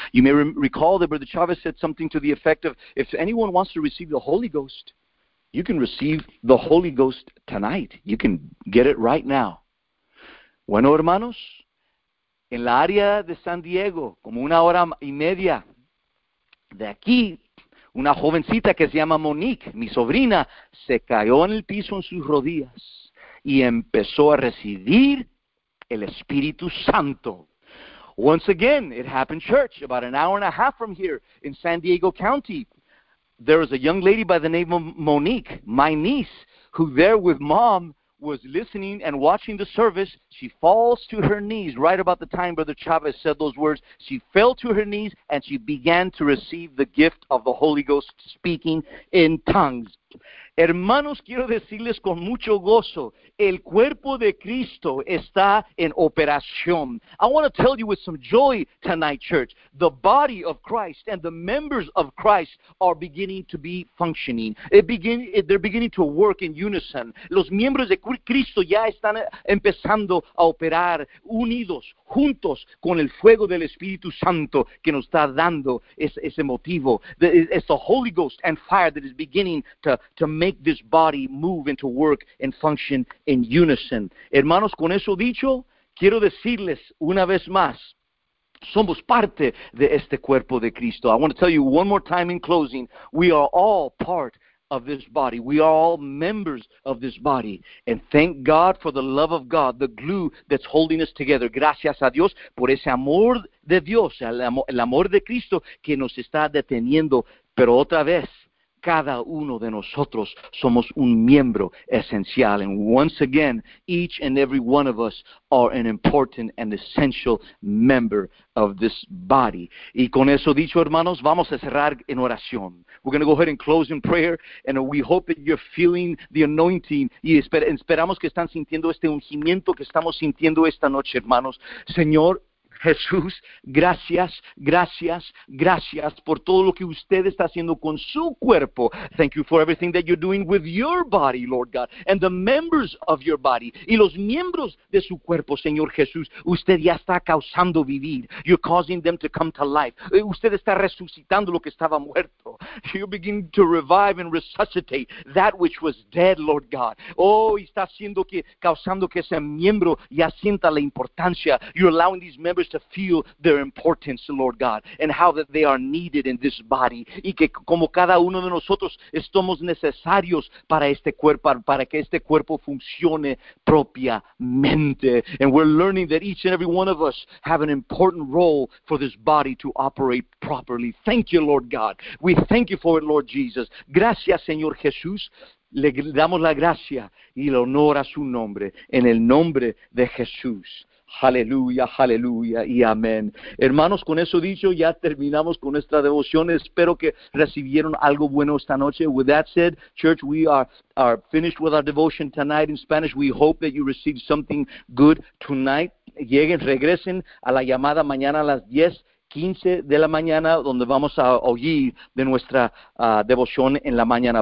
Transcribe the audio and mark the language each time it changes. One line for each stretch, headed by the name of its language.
English: You may recall that Brother Chávez said something to the effect of, if anyone wants to receive the Holy Ghost, you can receive the Holy Ghost tonight. You can get it right now.
Spanish: Bueno, hermanos, en la área de San Diego, como una hora y media de aquí, una jovencita que se llama Monique, mi sobrina, se cayó en el piso en sus rodillas y empezó a recibir el Espíritu Santo.
English: Once again, it happened, church, about an hour and a half from here in San Diego County. There was a young lady by the name of Monique, my niece, who there with mom was listening and watching the service. She falls to her knees right about the time Brother Chavez said those words. She fell to her knees and she began to receive the gift of the Holy Ghost speaking in tongues.
Spanish: Hermanos, quiero decirles con mucho gozo, el cuerpo de Cristo está en operación.
English: I want to tell you with some joy tonight, church. The body of Christ and the members of Christ are beginning to be functioning. They're beginning to work in unison.
Spanish: Los miembros de Cristo ya están empezando a operar unidos, juntos, con el fuego del Espíritu Santo que nos está dando ese motivo.
English: It's the Holy Ghost and fire that is beginning to make this body move and to work and function in unison.
Spanish: Hermanos, con eso dicho, quiero decirles una vez más, somos parte de este cuerpo de Cristo.
English: I want to tell you one more time in closing, we are all part of this body. We are all members of this body. And thank God for the love of God, the glue that's holding us together.
Spanish: Gracias a Dios por ese amor de Dios, el amor de Cristo que nos está deteniendo. Pero otra vez, cada uno de nosotros somos un miembro esencial.
English: And once again, each and every one of us are an important and essential member of this body.
Spanish: Y con eso dicho, hermanos, vamos a cerrar en oración.
English: We're going to go ahead and close in prayer, and we hope that you're feeling the anointing.
Spanish: Y esperamos que están sintiendo este ungimiento que estamos sintiendo esta noche, hermanos. Señor Jesús, gracias, gracias, gracias por todo lo que usted está haciendo con su cuerpo.
English: Thank you for everything that you're doing with your body, Lord God, and the members of your body.
Spanish: Y los miembros de su cuerpo, Señor Jesús, usted ya está causando vivir.
English: You're causing them to come to life.
Spanish: Usted está resucitando lo que estaba muerto.
English: You're beginning to revive and resuscitate that which was dead, Lord God.
Spanish: Oh, está haciendo que, causando que ese miembro ya sienta la importancia.
English: You're allowing these members to feel their importance, Lord God, and how that they are needed in this body,
Spanish: y que como cada uno de nosotros estamos necesarios para este cuerpo, para que este cuerpo funcione propiamente.
English: And we're learning that each and every one of us have an important role for this body to operate properly. Thank you, Lord God. We thank you for it, Lord Jesus.
Spanish: Gracias, Señor Jesús. Le damos la gracia y el honor a su nombre, en el nombre de Jesús. Aleluya, aleluya y amén. Hermanos, con eso dicho, ya terminamos con nuestra devoción. Espero que recibieron algo bueno esta noche.
English: With that said, church, we are finished with our devotion tonight in Spanish. We hope that you received something good tonight.
Spanish: Lleguen, regresen a la llamada mañana a las 10:15 de la mañana, donde vamos a oír de nuestra devoción en la mañana.